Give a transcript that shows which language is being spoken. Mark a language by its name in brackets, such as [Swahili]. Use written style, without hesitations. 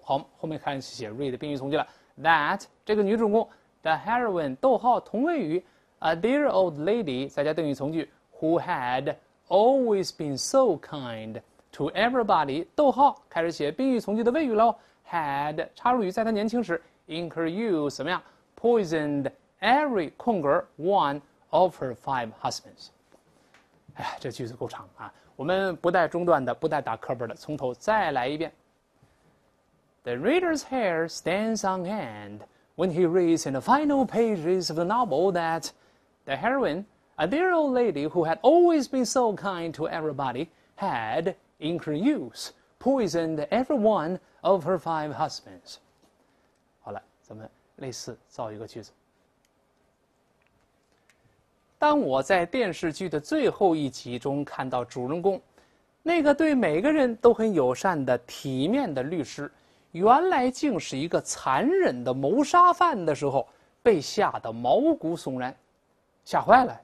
[Chinese] 好，后面开始写 read 宾语从句了。That 这个女主公 The heroine 逗号同位语 A dear old lady 再加定语从句 [English] Who had always been so kindto everybody， [Chinese] 逗号开始写宾语从句的谓语喽。 had 插入语在他年轻时 in her youth 怎么样 poisoned every 空格 [English] one of her five husbands。 [Chinese] 哎呀，这句子够长啊，我们不带中断的，不带打磕巴的，从头再来一遍。 [English] The reader's hair stands on end when he reads in the final pages of the novel that the heroine, a dear old lady who had always been so kind to everybody, hadIn her youth, poisoned every one of her five husbands. [Chinese] 好了，咱们类似造一个句子。当我在电视剧的最后一集中看到主人公，那个对每个人都很友善的体面的律师，原来竟是一个残忍的谋杀犯的时候，被吓得毛骨悚然，吓坏了。